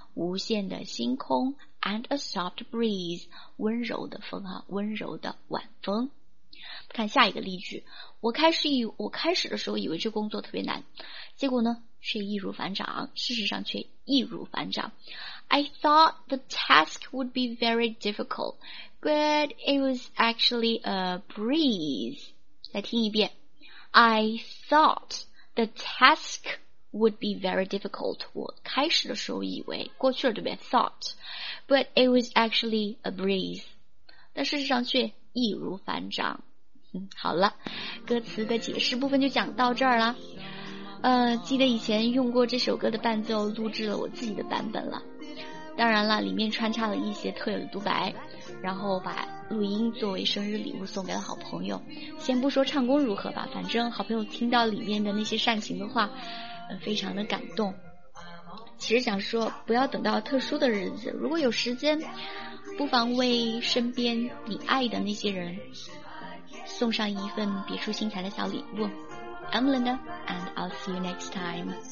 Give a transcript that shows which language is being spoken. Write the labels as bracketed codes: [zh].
[zh] 无限的星空 [en] and a soft breeze, [zh] 温柔的风啊，温柔的晚风。看下一个例句，我开始的时候以为这工作特别难，结果呢却易如反掌，事实上却易如反掌。 [en] I thought the task would be very difficult, but it was actually a breeze. 再听一遍， I thought the task would be very difficult. [zh] 我开始的时候以为，过去了对不对？ [en] thought, but it was actually a breeze. [zh] 但事实上却易如反掌。好了，歌词的解释部分就讲到这儿啦。记得以前用过这首歌的伴奏录制了我自己的版本了，当然了，里面穿插了一些特有的独白，然后把录音作为生日礼物送给了好朋友。先不说唱功如何吧，反正好朋友听到里面的那些煽情的话，非常的感动。其实想说，不要等到特殊的日子，如果有时间，不妨为身边你爱的那些人送上一份别出心裁的小礼物。 [en] I'm Linda, and I'll see you next time.